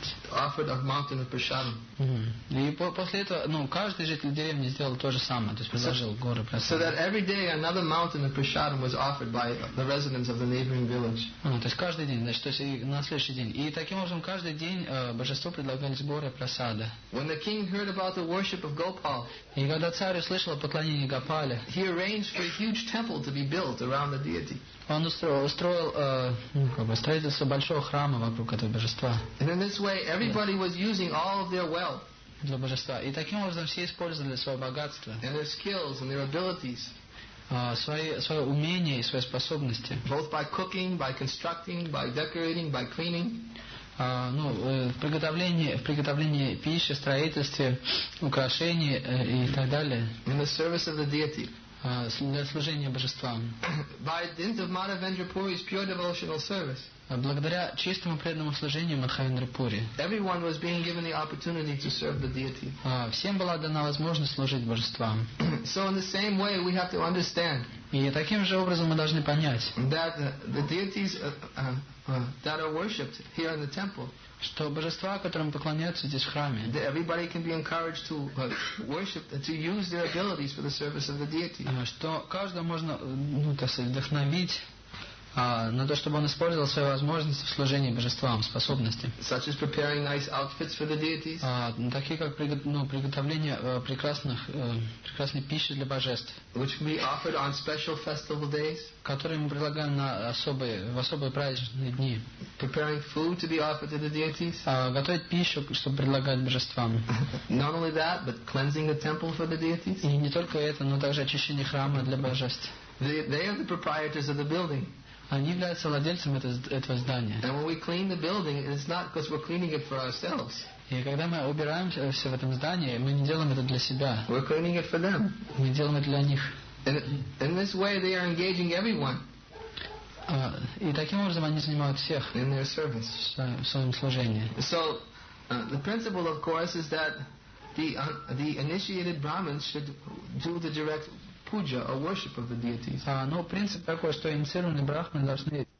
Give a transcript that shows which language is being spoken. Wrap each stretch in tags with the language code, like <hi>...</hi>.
<en>offered a mountain of prasadam.</en> <ru>И после этого, каждый житель деревни сделал то же самое, то есть предложил горы прасада.</ru> <en>So that every day another mountain of prasadam was offered by the residents of the neighboring village.</en> <ru>То есть каждый день, значит, то есть на следующий день. И таким образом каждый день божество предлагались горы прасада.</ru> <en>When the king heard about the worship of Gopal,</en> <ru>и когда царь услышал о поклонении Гопале,</ru> <en>he arranged for a huge temple to be built around the deity.</en> <ru>Он устроил строительство большого храма вокруг этого божества.</ru> <en>And in this way, everybody was using all of their wealth.</en> <ru>Для божества. И таким образом все использовали свое богатство.</ru> <en>And their skills and their abilities.</en> <ru>Свои умения и свои способности.</ru> <en>Both by cooking, by constructing, by decorating, by cleaning.</en> <ru>В приготовлении пищи, строительстве, украшений и так далее.</ru> <en>In the service of the deity.</en> <ru>Для служения божествам.</ru> <en>By dint of Madhavendra Puri's pure devotional service.</en> <ru>Благодаря чистому преданному служению Мадхавендра Пури.</ru> <en>Everyone was being given the opportunity to serve the deity.</en> <ru>Всем была дана возможность служить божествам.</ru> <en>So in the same way we have to understand.</en> <ru>И таким же образом мы должны понять.</ru> <en>That the deities that are worshipped here in the temple.</en> <ru>Что божества, которым поклоняются здесь в храме,</ru> <en>everybody can be encouraged to worship, to use their abilities for the service of the deity.</en> <ru>Что каждого можно, вдохновить на то, чтобы он использовал свои возможности в служении божествам, способности.</ru> <en>Such as preparing nice outfits for the deities.</en> <ru>Такие как приготовление прекрасной пищи для божеств.</ru> <en>Which we offered on special festival days.</en> <ru>Которые мы предлагаем в особые праздничные дни.</ru> <en>Preparing food to be offered to the deities.</en> <ru>Готовить пищу, чтобы предлагать божествам.</ru> <en>Not only that, but cleansing the temple for the deities.</en> <ru>И не только это, но также очищение храма для божеств.</ru> <en>They are the proprietors of the building.</en> <ru>Они являются владельцем этого здания.</ru> <en>And when we clean the building, it's not because we're cleaning it for ourselves.</en> <ru>И когда мы убираем все в этом здании, мы не делаем это для себя.</ru> <en>We're cleaning it for them.</en> <ru>Мы делаем это для них.</ru> <en>In this way, they are engaging everyone.</en> <ru>И таким образом они занимают всех.</ru> <en>In their service.</en> <ru>В своем служении.</ru> <en>So, the principle, of course, is that the initiated Brahmins should do the direct puja, a worship of the deities.</en> <ru>Принцип такой, что инициированные брахманы должны</ru>